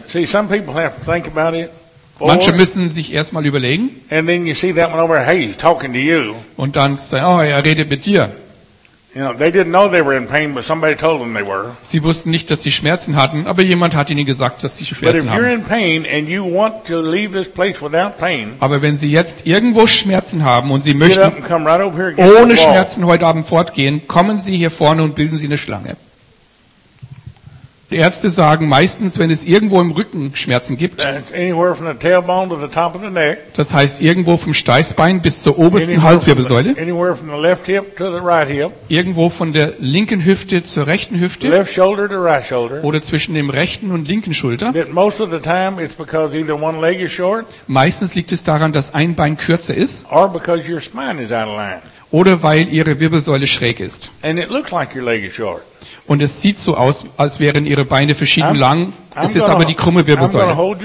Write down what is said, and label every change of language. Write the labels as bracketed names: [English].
[English] See, some people have to think about it. [German] Four. Manche müssen sich erstmal überlegen. [English] And then you see that one over, hey, he's talking to you. [German] Und dann sagen, oh, er redet mit dir. [English] You know, they didn't know they were in pain, but somebody told them they were. [German] Sie wussten nicht, dass sie Schmerzen hatten, aber jemand hat ihnen gesagt, dass sie Schmerzen haben. [English] But if you're in pain and you want to leave this place without pain, [German] aber wenn Sie jetzt irgendwo Schmerzen haben und Sie möchten ohne Schmerzen heute Abend fortgehen, kommen Sie hier vorne und bilden Sie eine Schlange. Die Ärzte sagen meistens, wenn es irgendwo im Rücken Schmerzen gibt, [English] anywhere from the tailbone to the top of the neck, [German] das heißt irgendwo vom Steißbein bis zur obersten Halswirbelsäule, [English] anywhere from the left hip to the right hip, [German] irgendwo von der linken Hüfte zur rechten Hüfte, [English] left shoulder to right shoulder, [German] oder zwischen dem rechten und linken Schulter, [English] most of the time it's because either one leg is short, [German] meistens liegt es daran, dass ein Bein kürzer ist, [English] or because your spine is out of line, [German] oder weil Ihre Wirbelsäule schräg ist. [English] And it looks like your leg is short. [German] Und es sieht so aus, als wären ihre Beine verschieden lang. Es ist aber die krumme Wirbelsäule.